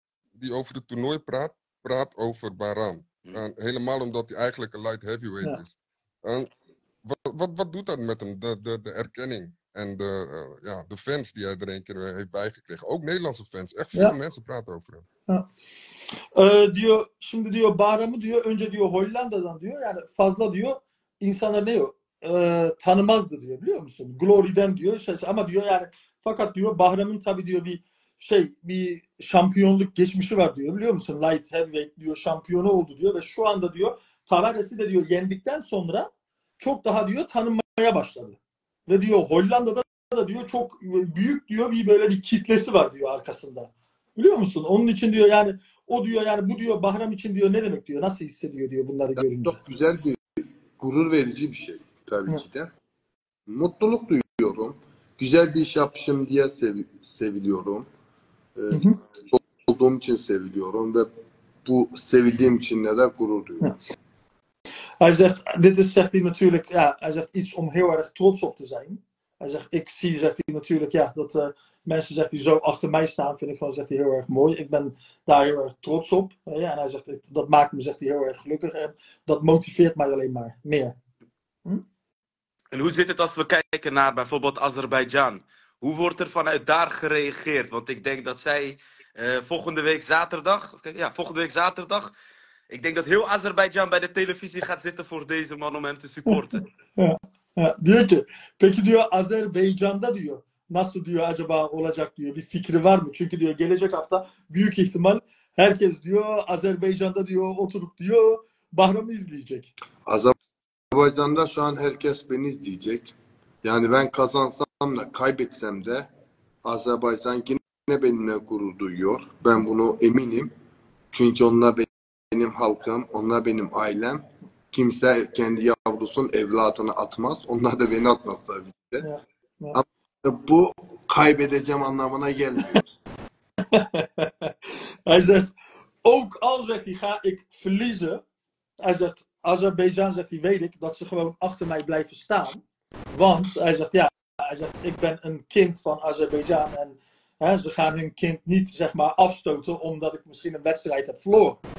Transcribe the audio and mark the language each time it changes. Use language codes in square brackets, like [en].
[nl] die over het toernooi praat, praat over Bahram. Helemaal omdat hij eigenlijk een light heavyweight is. Wat doet dat met hem, de erkenning en de fans die hij er een keer heeft bijgekregen? Ook Nederlandse fans, echt veel mensen praten over hem. Ja. [tr] Şimdi diyor Bahram'ı diyor önce diyor Hollanda'dan diyor yani fazla diyor insanlar ne diyor tanımazdı diyor biliyor musun Glory'den diyor şey, ama diyor yani fakat diyor Bahram'ın tabii diyor bir şey bir şampiyonluk geçmişi var diyor biliyor musun light heavyweight diyor şampiyonu oldu diyor ve şu anda diyor Tavares'i de diyor yendikten sonra çok daha diyor tanınmaya başladı ve diyor Hollanda'da da diyor çok büyük diyor bir böyle bir kitlesi var diyor arkasında. Biliyor musun? Onun için diyor yani o diyor yani bu diyor Bahram için diyor ne demek diyor? Nasıl hissediyor diyor bunları ya görünce? Çok güzel bir gurur verici bir şey tabii ki de. Mutluluk duyuyorum. Güzel bir iş yapmışım diye seviliyorum. Olduğum için seviliyorum ve bu sevildiğim için ne de gurur duyuyorum. [nl] Hij zegt, dit is zegt hij natuurlijk, ja, hij zegt iets om heel erg trots op te zijn. Hij zegt, ik zie, zegt hij natuurlijk, ja, dat mensen zegt die zo achter mij staan, vind ik gewoon, zegt hij, heel erg mooi. Ik ben daar heel erg trots op. Ja, en hij zegt, dat maakt me, zegt hij, heel erg gelukkig. En dat motiveert mij alleen maar meer. En hoe zit het als we kijken naar bijvoorbeeld Azerbeidzjan? Hoe wordt er vanuit daar gereageerd? Want ik denk dat zij volgende week zaterdag, ik denk dat heel Azerbeidzjan bij de televisie gaat zitten voor deze man om hem te supporten. [tr] Diyor ki, peki diyor Azerbaycan'da diyor nasıl diyor acaba olacak diyor bir fikri var mı? Çünkü diyor gelecek hafta büyük ihtimal herkes diyor Azerbaycan'da diyor oturup diyor Bahram'ı izleyecek. Azerbaycan'da şu an herkes beni izleyecek. Yani ben kazansam da kaybetsem de Azerbaycan yine benimle gurur duyuyor. Ben bunu eminim. Çünkü onlar benim halkım, onlar benim ailem. Kimse kendi yavrusunun evlatını atmaz. Onlar da beni atmaz tabii ki. Ama bu kaybedeceğim anlamına gelmiyor. [nl] Hij zegt, ook al zegt hij, ga ik verliezen. Hij zegt, Azerbeidzjan zegt hij, weet ik dat ze gewoon achter mij blijven staan. Want, hij zegt, ja, hij zegt, ik ben een kind van Azerbeidzjan. En hè, ze gaan hun kind niet, zeg maar, afstoten omdat ik misschien een wedstrijd heb verloren.